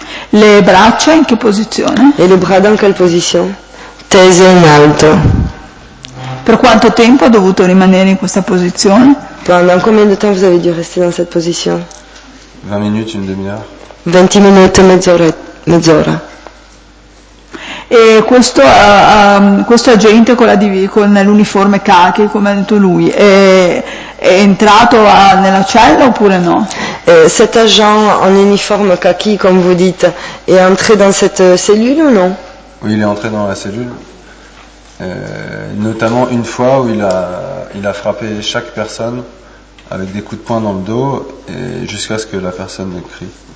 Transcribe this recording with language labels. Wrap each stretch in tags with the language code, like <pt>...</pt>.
<it>Le braccia in che posizione? E le braccia in quale posizione? Tese in alto. Per quanto tempo ha dovuto rimanere in questa posizione?</it> <fr>Pendant combien de temps vous avez dû rester dans cette position? 20 minutes, une demi-heure. 20 minutes,</fr> <it>mezz'ora. E questo, questo agente con, la div- con l'uniforme khaki, come ha detto lui, è entrato a, nella cella oppure no?</it> <fr>Cet agent en uniforme khaki, comme vous dites, est entré dans cette cellule ou non? Oui, il est entré dans la cellule, notamment une fois où il a frappé chaque personne avec des coups de poing dans le dos et jusqu'à ce que la personne crie.</fr>